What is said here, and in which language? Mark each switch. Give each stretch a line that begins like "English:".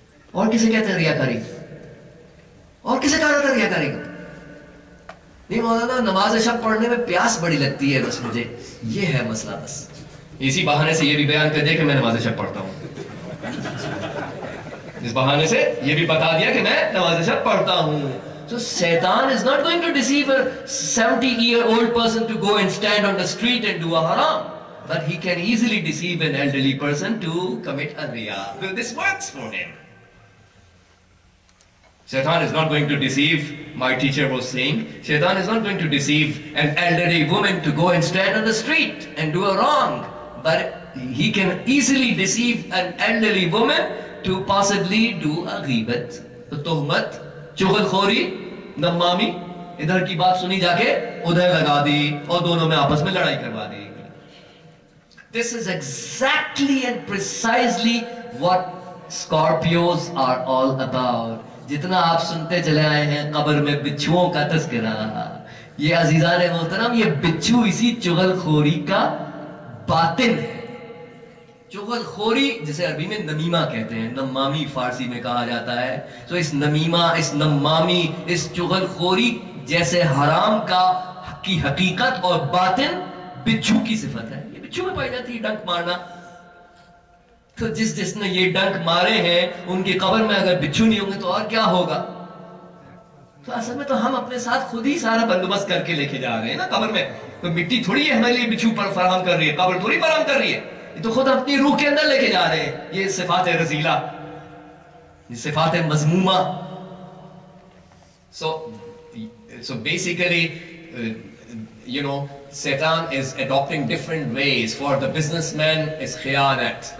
Urdu: اور کسے کہتے ہیں ریاکاری, اور کسے کہا جاتا ریاکاری کو. نہیں مولانا, نماز عشاء پڑھنے میں پیاس بڑی لگتی ہے بس مجھے, یہ ہے مسئلہ. بس اسی بہانے سے یہ بھی بیان کر دیا کہ میں نماز عشاء پڑھتا ہوں. اس بہانے سے یہ بھی بتا دیا کہ میں نماز عشاء پڑھتا ہوں.
English: So Satan is not going to deceive a 70-year-old person to go and stand on the street and do a haram, but he can easily deceive an elderly person to commit a riya. So this works for him. Shaitan is not going to deceive, my teacher was saying, Shaitan is not going to deceive an elderly woman to go and stand on the street and do a wrong, but he can easily deceive an elderly woman to possibly do a ghibat.
Urdu: تہمت, چغل خوری, نمامی, ادھر کی بات سنی جا کے ادھر لگا دی اور دونوں میں آپس میں لڑائی کروا دی.
English: This is exactly and precisely what Scorpios are all about.
Urdu: جتنا آپ سنتے چلے آئے ہیں قبر میں بچھوؤں کا تذکرہ, یہ عزیزان محترم, یہ بچھو اسی چغل خوری کا باطن ہے. چغل خوری جسے عربی میں نمیمہ کہتے ہیں, نمامی فارسی میں کہا جاتا ہے. تو اس نمیمہ, اس نمامی, اس چغل خوری جیسے حرام کا کی حقیقت اور باطن بچھو کی صفت ہے. یہ بچھو میں پائی جاتی ہے ڈنک مارنا. تو جس نے یہ ڈنک مارے ہیں ان کی قبر میں اگر بچھو نہیں ہوں گے تو اور کیا ہوگا. تو اصل میں تو ہم اپنے ساتھ خود ہی سارا بندوبست کر کے لے کے جا رہے ہیں نا قبر میں. تو مٹی تھوڑی ہے ہمارے لیے بچھو پر فراہم کر رہی ہے, قبر تھوڑی فراہم کر رہی ہے, یہ تو خود اپنی روح کے اندر لے کے جا رہے ہیں. یہ صفات رذیلہ, یہ صفات مذمومہ.
English: So basically you know شیطان is adapting different ways for the businessman is خیانت.